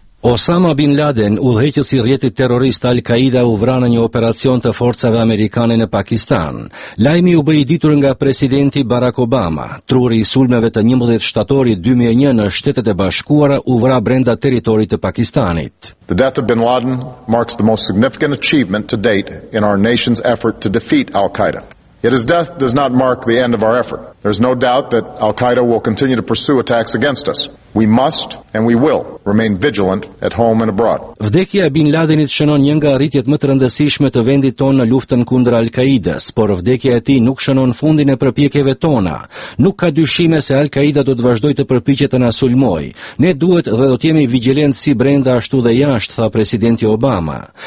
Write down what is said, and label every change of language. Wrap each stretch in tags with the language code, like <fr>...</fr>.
<sq>Osama Bin Laden, udhëheqës i rrjetit terrorist Al-Qaida, u vra në një operacion të forcave amerikane në Pakistan. Lajmi u bë i ditur nga presidenti Barack Obama. Truri i sulmeve të 11 shtatorit 2001 në Shtetet e Bashkuara u vra brenda territorit të Pakistanit.</sq> <en>The death of Bin Laden marks the most significant achievement to date in our nation's effort to defeat Al-Qaida. Yet his death does not mark the end of our effort. There's no doubt that Al-Qaida will continue to pursue attacks against us. We must and we will remain vigilant at home and abroad.</en> <sq>Vdekja e Bin Ladenit shënon një nga arritjet më të rëndësishme të vendit tonë në luftën kundër Al-Qaidës, por vdekja e tij nuk shënon fundin e përpjekjeve tona. Nuk ka dyshime se Al-Qaida do të vazhdojë të përpiqet të na sulmojë. Ne duhet dhe do të jemi vigjilent si brenda ashtu dhe jashtë, tha presidenti Obama.</sq>